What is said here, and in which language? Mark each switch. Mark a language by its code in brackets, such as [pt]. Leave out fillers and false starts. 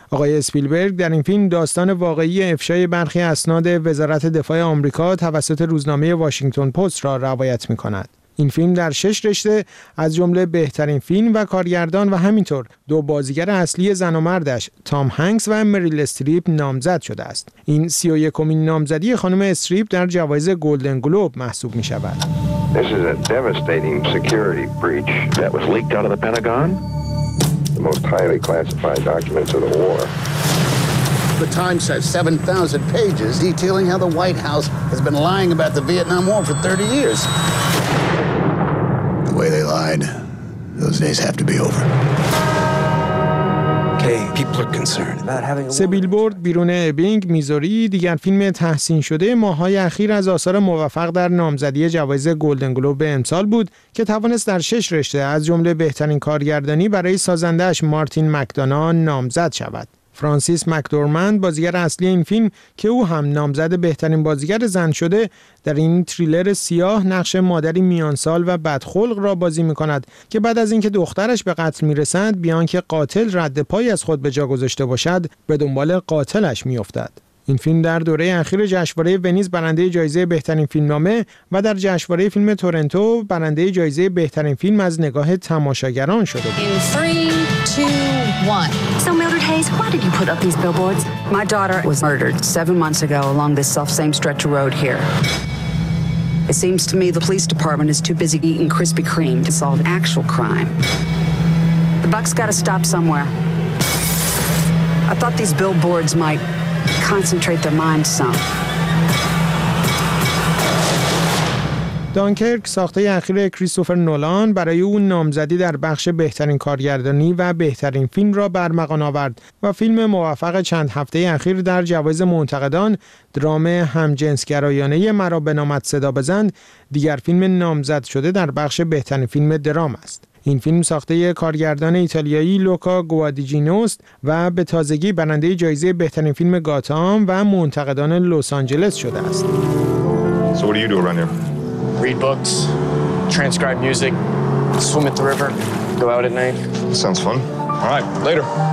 [fa] آقای اسپیلبرگ در این فیلم داستان واقعی افشای برخی اسناد وزارت دفاع آمریکا توسط روزنامه واشنگتن پست را روایت می‌کند. این فیلم در 6 رشته از جمله بهترین فیلم و کارگردان و همینطور دو بازیگر اصلی زن و مردش تام هنگس و مریل استریپ نامزد شده است. این 31مین نامزدی خانم استریپ در جوایز گلدن گلوب محسوب می شود. [en] This is a devastating security breach that was leaked out of the Pentagon. The most highly classified documents of the war. The Times has 7,000 pages detailing how the White House has been lying about the Vietnam War for 30 years. The way they lied, those days have to be over. [fa] سبیلبورد بیرون ابینگ میزوری دیگر فیلم تحسین شده ماهای اخیر از آثار موفق در نامزدی جوایز گلدن گلوب امسال بود که توانست در 6 رشته از جمله بهترین کارگردانی برای سازندهش مارتین مکدونان نامزد شود. فرانسیس مکدورمند بازیگر اصلی این فیلم که او هم نامزد بهترین بازیگر زن شده در این تریلر سیاه نقش مادری میانسال و بدخلق را بازی می‌کند که بعد از اینکه دخترش به قتل می‌رسد بیان که قاتل رد پای از خود به جا گذاشته باشد به دنبال قاتلش می‌افتد. این فیلم در دوره اخیر جشنواره ونیز برنده جایزه بهترین فیلمنامه و در جشنواره فیلم تورنتو برنده جایزه بهترین فیلم از نگاه تماشاگران شده بود. [en] So Mildred Hayes, why did you put up these billboards? My daughter was murdered 7 months ago along this self-same stretch of road here. It seems to me the police department is too busy eating Krispy Kreme to solve actual crime. The buck's got to stop somewhere. I thought these billboards might concentrate their mind some. [fa] دانکرک ساخته اخیر کریستوفر نولان برای او نامزدی در بخش بهترین کارگردانی و بهترین فیلم را برمغان آورد و فیلم موفق چند هفته اخیر در جوایز منتقدان درام همجنسگرایانه مرا به نامت صدا بزند دیگر فیلم نامزد شده در بخش بهترین فیلم درام است. این فیلم ساخته کارگردان ایتالیایی لوکا گوادیجینوست و به تازگی برنده جایزه بهترین فیلم گاتام و منتقدان لس آنجلس شده است. [en] Read books, transcribe music, swim at the river, go out at night. Sounds fun. All right, later.